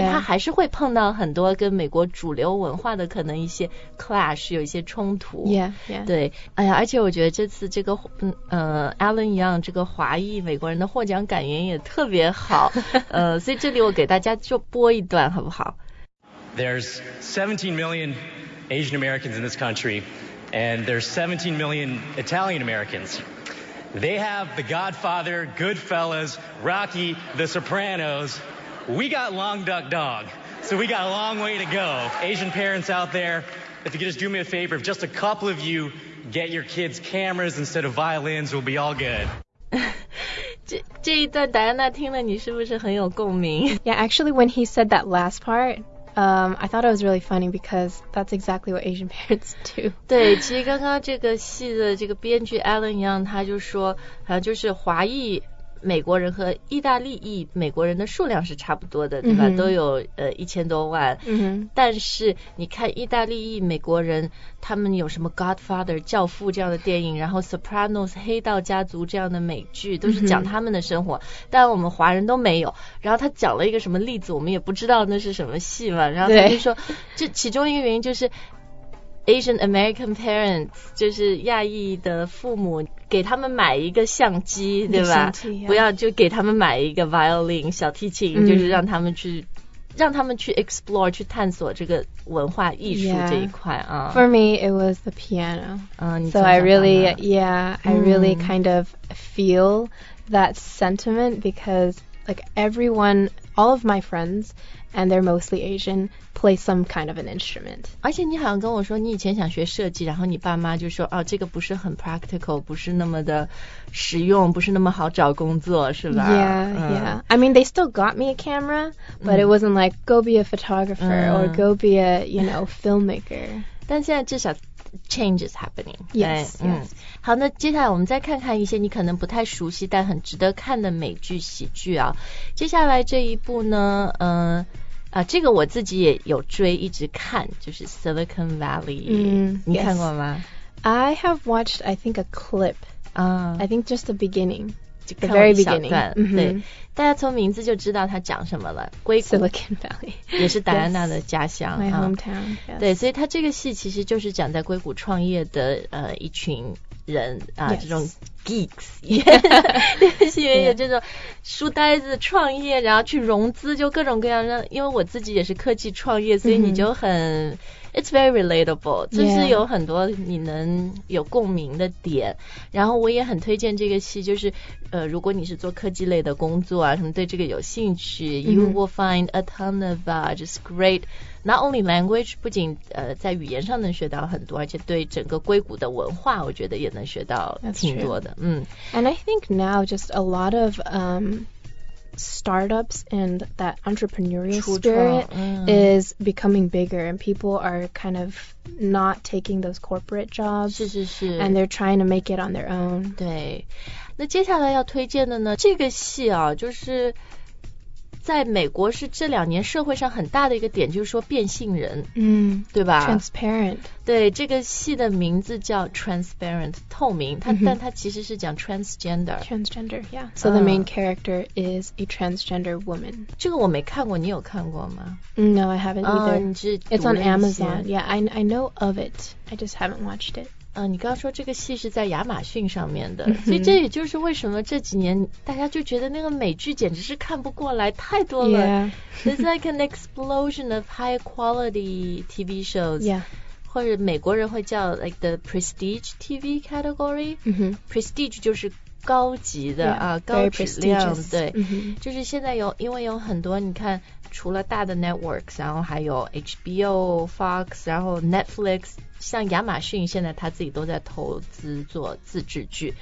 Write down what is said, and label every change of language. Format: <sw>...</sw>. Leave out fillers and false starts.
<zh>但他还是会碰到很多跟美国主流文化的可能一些 clash， 有一些冲突</zh> <en>yeah, yeah.</en> <zh>对，哎呀，而且我觉得这次这个Alan Young 这个华裔美国人的获奖感言也特别好所以这里我给大家就播一段好不好。</zh> <en>There's 17 million Asian Americans in this countryAnd there's 17 million Italian Americans. They have The Godfather, Goodfellas, Rocky, The Sopranos. We got Long Duck Dog. So we got a long way to go. Asian parents out there, if you could just do me a favor, if just a couple of you get your kids cameras instead of violins, we'll be all good.</en> <zh>这一段戴安娜听了你是不是很有共鸣？</zh> <en>Yeah, actually, when he said that last part,I thought it was really funny because that's exactly what Asian parents do.</en> <zh>对，其实刚刚这个戏的这个编剧 Alan Young 他就说，就是华裔美国人和意大利裔美国人的数量是差不多的，对吧？ Mm-hmm. 都有1000多万。嗯、mm-hmm. 但是你看意大利裔美国人，他们有什么 Godfather 教父这样的电影，然后 Sopranos 黑道家族这样的美剧，都是讲他们的生活。 Mm-hmm. 但我们华人都没有。然后他讲了一个什么例子，我们也不知道那是什么戏嘛。然后他就说，这其中一个原因就是 Asian American parents 就是亚裔的父母。给他们买一个相机，对吧？不要就给他们买一个 violin 小提琴、嗯、就是让他们去explore 去探索这个文化艺术这一块啊。</zh> <en>Yeah. For me it was the piano、 so I really yeah I really、嗯、kind of feel that sentiment because like everyone all of my friendsAnd they're mostly Asian, play some kind of an instrument.</en> <zh>而且你好像跟我说你以前想学设计，然后你爸妈就说哦，这个不是很 practical, 不是那么的实用，不是那么好找工作，是吧？</zh> <en>Yeah, yeah. I mean, they still got me a camera, but it wasn't like, go be a photographer, or go be a, you know, filmmaker.</en> <zh>但现在至少</zh> <en>change is happening. Yes, yes.</en> <zh>好，那接下来我们再看看一些你可能不太熟悉但很值得看的美剧喜剧啊。接下来这一部呢，这个我自己也有追，一直看，就是 Silicon Valley、 mm, 你看过吗？</zh> <en>I have watched I think a clip、I think just the beginning, the very beginning、mm-hmm.</en> <zh>对，大家从名字就知道它讲什么了，硅谷</zh> <en>Silicon Valley</en> <zh>也是戴安娜的家乡、</zh> <en>yes, my hometown、yes.</en> <zh>对，所以它这个戏其实就是讲在硅谷创业的一群人啊、</zh> <en>yes.</en> <zh>这种 geeks 也是因为这种书呆子创业、yeah. 然后去融资就各种各样，因为我自己也是科技创业所以你就很、mm-hmm.</zh> <en>it's very relatable、 yeah.</en> <zh>就是有很多你能有共鸣的点，然后我也很推荐这个戏，就是如果你是做科技类的工作啊什么对这个有兴趣、mm-hmm.</zh> <en>you will find a ton of just greatNot only language,</en> <zh>不仅在语言上能学到很多，而且对整个硅谷的文化，我觉得也能学到挺多的。</zh> <en>And I think now just a lot of startups and that entrepreneurial spirit is becoming bigger, and people are kind of not taking those corporate jobs.</en> <zh>是是是。</zh> <en>And they're trying to make it on their own.</en> <zh>对。那接下来要推荐的呢，这个戏啊，就是在美国是这两年社会上很大的一个点，就是说变性人，嗯，对吧</zh> <en>？Transparent，</en> <zh>对，这个戏的名字叫 Transparent， 透明。它、mm-hmm. 但它其实是讲 transgender。</zh> <en>Transgender， yeah。 So the main character is a transgender woman。</en> <zh>这个我没看过，你有看过吗</zh> <en>？No， I haven't either。 It's on Amazon。 Yeah， I know of it， I just haven't watched it。</en> <zh>你刚刚说这个戏是在亚马逊上面的，所以这也就是为什么这几年大家就觉得那个美剧简直是看不过来，太多了。</zh> <en>Yeah. It's like an explosion of high quality TV shows. Yeah.</en> <zh>或者美国人会叫</zh> <en>like the prestige TV category.、 Mm-hmm.</en> <zh>Prestige 就是高级的</zh> <en>yeah,</en> <zh>啊，高质量。对、</zh> <en>mm-hmm.</en> <zh>就是现在有因为有很多你看除了大的 networks 然后还有 HBO Fox 然后 Netflix 像亚马逊现在他自己都在投资做自制剧、</zh>